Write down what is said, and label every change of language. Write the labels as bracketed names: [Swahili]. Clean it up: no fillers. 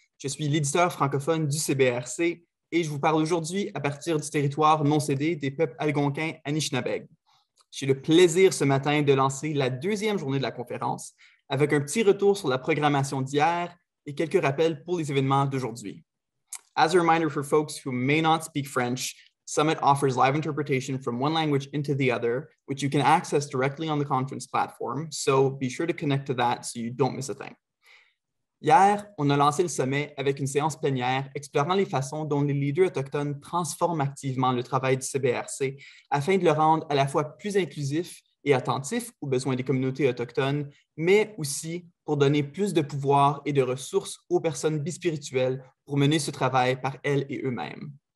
[French] Je suis l'éditeur francophone du CBRC et je vous parle aujourd'hui à partir du territoire non cédé des peuples algonquins Anishinaabeg. J'ai le plaisir ce matin de lancer la deuxième journée de la conférence avec un petit retour sur la programmation d'hier et quelques rappels pour les événements d'aujourd'hui. [English] As a reminder for folks who may not speak French, Summit offers live interpretation from one language into the other, which you can access directly on the conference platform, so be sure to connect to that so you don't miss a thing. [French] Hier, on a lancé le sommet avec une séance plénière explorant les façons dont les leaders autochtones transforment activement le travail du CBRC afin de le rendre à la fois plus inclusif et attentif aux besoins des communautés autochtones, mais aussi pour donner plus de pouvoir et de ressources aux personnes bispirituelles pour mener ce travail par elles et eux-mêmes.